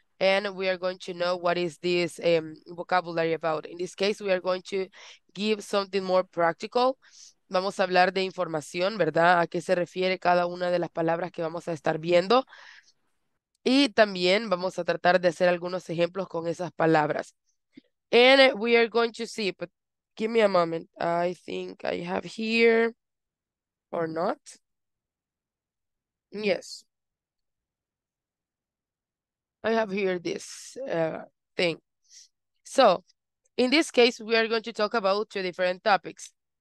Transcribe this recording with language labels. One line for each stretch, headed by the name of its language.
English: And we are going to know what is this vocabulary about. In this case, we are going to give something more practical.
Spanish: Vamos a hablar de información, ¿verdad? A qué se refiere cada una de las palabras que vamos a estar viendo. Y también vamos a tratar de hacer algunos ejemplos con esas palabras.
English: And we are going to see, but give me a moment. I think I have here or not. Yes. I have here this thing. So, in this case, we are going to talk about two different topics.